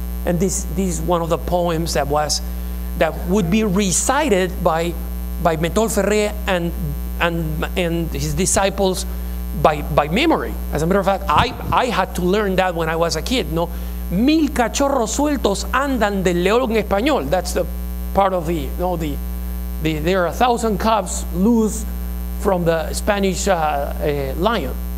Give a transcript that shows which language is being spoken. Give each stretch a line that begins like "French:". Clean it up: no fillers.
English: And this is one of the poems that was that would be recited by Metol Ferré and his disciples by memory. As a matter of fact, I had to learn that when I was a kid.
Spanish: No, mil cachorros sueltos andan del león español.
English: That's the part of the, you know, the there are 1,000 cubs loose from the Spanish lion.